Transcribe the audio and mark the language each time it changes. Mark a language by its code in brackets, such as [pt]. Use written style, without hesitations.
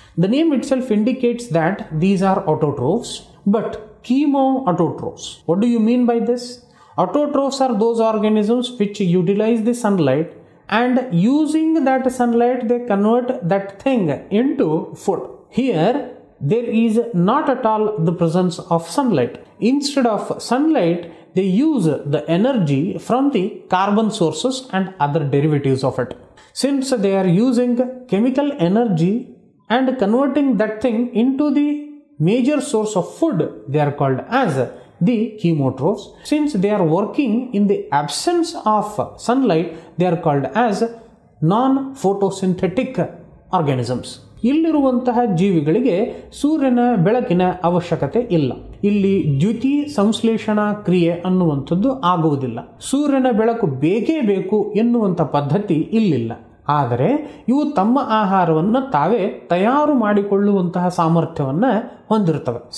[en] The name itself indicates that these are autotrophs. But chemoautotrophs, what do you mean by this? Autotrophs are those organisms which utilise the sunlight and using that sunlight they convert that thing into food. Here there is not at all the presence of sunlight. Instead of sunlight, they use the energy from the carbon sources and other derivatives of it. Since they are using chemical energy and converting that thing into the major source of food, they are called as the chemotrophs. Since they are working in the absence of sunlight, they are called as non-photosynthetic organisms. [kn] ಇಲ್ಲಿರುವಂತಹ ಜೀವಿಗಳಿಗೆ ಸೂರ್ಯನ ಬೆಳಕಿನ ಅವಶ್ಯಕತೆ ಇಲ್ಲ. ಇಲ್ಲಿ ದ್ಯುತಿ ಸಂಶ್ಲೇಷಣಾ ಕ್ರಿಯೆ ಅನ್ನುವಂಥದ್ದು ಆಗುವುದಿಲ್ಲ. ಸೂರ್ಯನ ಬೆಳಕು ಬೇಕೇ ಬೇಕು ಎನ್ನುವಂಥ ಪದ್ಧತಿ ಇಲ್ಲಿಲ್ಲ. ಆದರೆ ಇವು ತಮ್ಮ ಆಹಾರವನ್ನು ತಾವೇ ತಯಾರು ಮಾಡಿಕೊಳ್ಳುವಂತಹ ಸಾಮರ್ಥ್ಯವನ್ನು ಹೊಂದಿರುತ್ತವೆ.